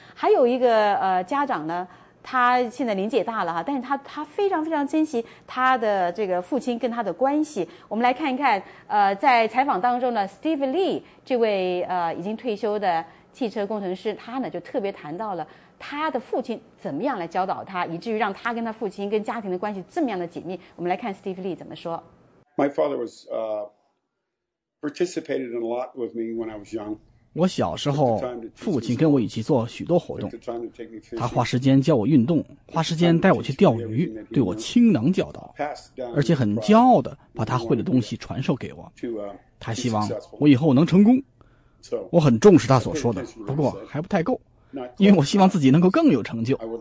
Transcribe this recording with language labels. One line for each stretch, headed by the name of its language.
Chinese: 还有一个家长呢。他现在年纪也大了哈，但是他非常非常珍惜他的这个父亲跟他的关系。我们来看一看，在采访当中呢 ，Steve Lee 这位已经退休的汽车工程师，他呢就特别谈到了他的父亲怎么样来教导他，以至于让他跟他父亲跟家庭的关系这么样的紧密。我们来看 Steve Lee 怎么说。
English: My father was participated in a lot with me when I was young.
Chinese: 我小时候父亲跟我一起做许多活动，他花时间教我运动，花时间带我去钓鱼，对我倾囊教导，而且很骄傲地把他会的东西传授给我，他希望我以后能成功。我很重视他所说的，不过还不太够，因为我希望自己能够更有成就。